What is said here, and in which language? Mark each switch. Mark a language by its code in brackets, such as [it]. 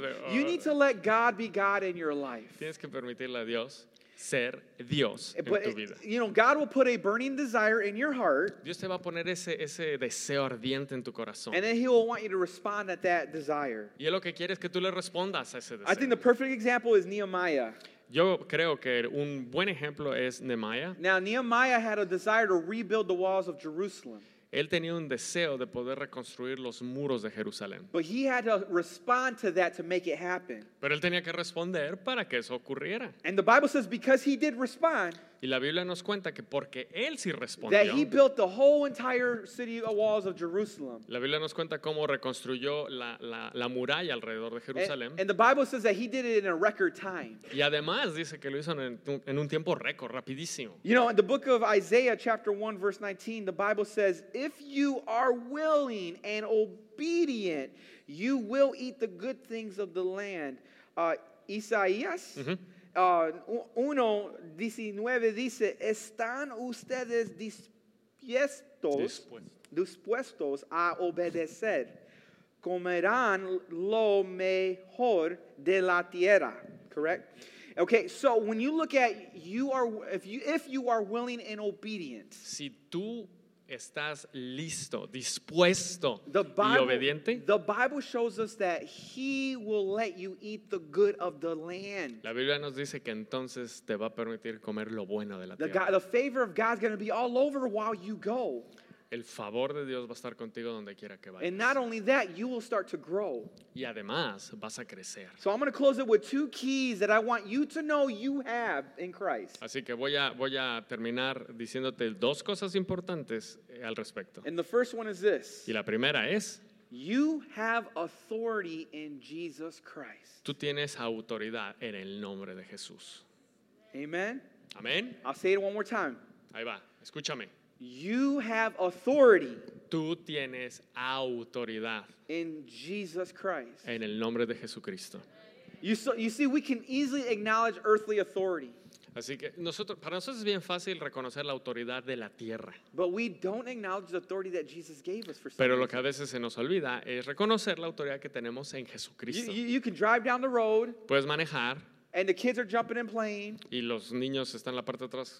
[en] You need to let God be God in your life. [es] Tienes que permitirle a Dios ser Dios en tu vida. [en] You know, God will put a burning desire in your heart. [es] Dios te va a poner ese deseo ardiente en tu corazón. [en] And then he will want you to respond at that desire. [es] Y él lo que quiere es que tú le respondas a ese deseo. [en] I think the perfect example is Nehemiah. [es] Yo creo que un buen ejemplo es Nehemiah. [en] Now, Nehemiah had a desire to rebuild the walls of Jerusalem. [es] Él tenía un deseo de poder reconstruir los muros de Jerusalén. [en] But he had to respond to that to make it happen. [es] Pero él tenía que responder para que eso ocurriera. [en] And the Bible says because he did respond. [es] Y la Biblia nos cuenta que porque él sí respondió. [en] That he built the whole entire city of walls of Jerusalem. [es] La Biblia nos cuenta cómo reconstruyó la muralla alrededor de Jerusalén. [en] And the Bible says that he did it in a record time. [es] Y además dice que lo hizo en un tiempo récord, rapidísimo. [en] You know, in the book of Isaiah chapter 1 verse 19, the Bible says, "If you are willing and obedient, you will eat the good things of the land." [es] Isaías uno, 19 dice, ¿están ustedes dispuestos a obedecer? Comerán lo mejor de la tierra. [en] Correct? Okay, so when you look at if you are willing and obedient. [es] Si tú estás listo, dispuesto y obediente. [en] The Bible shows us that he will let you eat the good of the land. [es] La Biblia nos dice que entonces te va a permitir comer lo bueno de la tierra. [en] The favor of God is going to be all over while you go. [es] El favor de Dios va a estar contigo donde quiera que vayas. [en] And not only that, you will start to grow. [es] Y además vas a crecer. [en] So I'm going to close it with two keys that I want you to know you have in Christ. [es] Así que voy a terminar diciéndote dos cosas importantes al respecto. [en] And the first one is this. [es] Y la primera es, [en] you have authority in Jesus Christ. [es] Tú tienes autoridad en el nombre de Jesús. [en] Amen. [es] Amen. [en] I'll say it one more time. [es] Ahí va. Escúchame. [en] You have authority. [es] Tú tienes autoridad. [en] In Jesus Christ. [es] En el nombre de Jesucristo. [en] You see, we can easily acknowledge earthly authority. [es] Así que para nosotros es bien fácil reconocer la autoridad de la tierra. [en] But we don't acknowledge the authority that Jesus gave us for something. [es] Pero lo que a veces se nos olvida es reconocer la autoridad que tenemos en Jesucristo. [en] You can drive down the road. [es] Puedes manejar. [en] And the kids are jumping and playing. [es] Y los niños están en la parte de atrás,